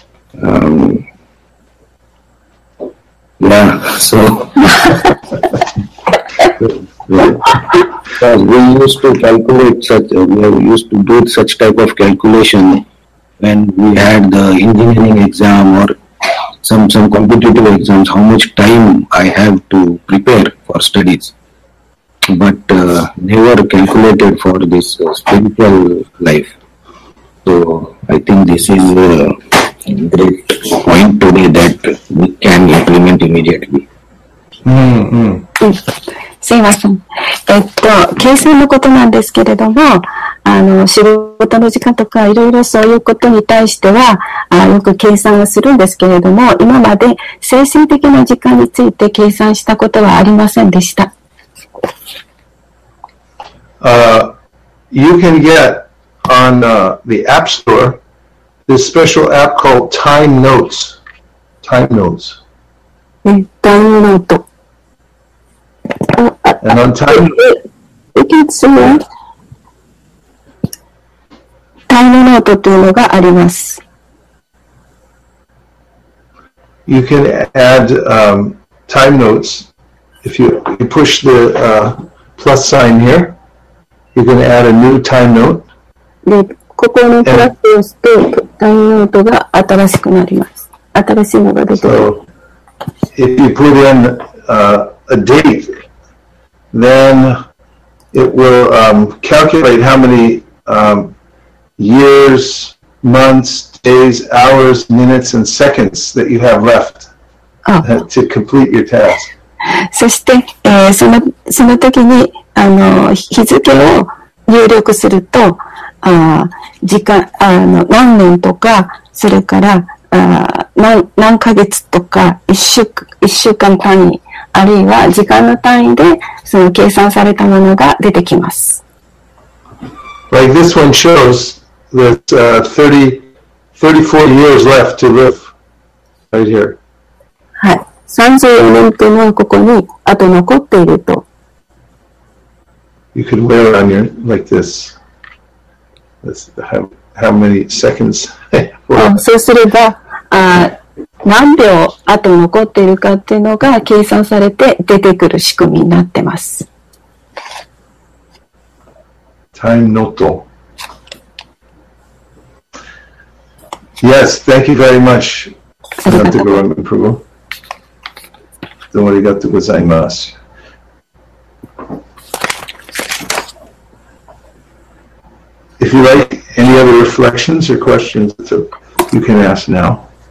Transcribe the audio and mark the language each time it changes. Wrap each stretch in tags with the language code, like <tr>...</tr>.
<en>We used to calculate such, we used to do such type of calculation when we had the engineering exam or some competitive exams, how much time I have to prepare for studies, but never calculated for this spiritual life. So I think this is a great point today that we can implement immediately.</en> <ja>すいません。計算のことなんですけれども、仕事の時間とかいろいろそういうことに対しては、よく計算をするんですけれども、今まで精神的な時間について計算したことはありませんでした。</ja> <en>You can get on the App Store this special app called Time Notes. Time Notes. Time Note. And on time, you can see time note</en> <ja>というのがあります。</ja> <en>You can add time notes if you push the plus sign here. You can add a new time note.</en> <ja>で、ここのプラスを押すと、time noteが新しくなります。新しいのが出てきます。</ja> <en>So, if you put in a date. Then it will calculate how many years, months, days, hours, minutes, and seconds that you have left to complete your task.</en> <ja>そして、その時に日付を入力すると、時間、何年とか、それから、何ヶ月とか、一週間単位。あるいは時間の単位でその計算されたものが出てきます。</ja> <en>Like this one shows that 34 years left to live right here.</en> <ja>はい、34年というのはここにあと残っていると。</ja> <en>You could wear on your like this. This how many seconds?</en> <ja>そうすれば。何秒あと残っているかっていうのが計算されて出てくる仕組みになってます。</ja> <en>Time note. Yes, thank you very much.</en> <ja>ありがとうございます。プロ。どうもありがとうございます。</ja> <en>If you like any other reflections or questions, you can ask now.</en>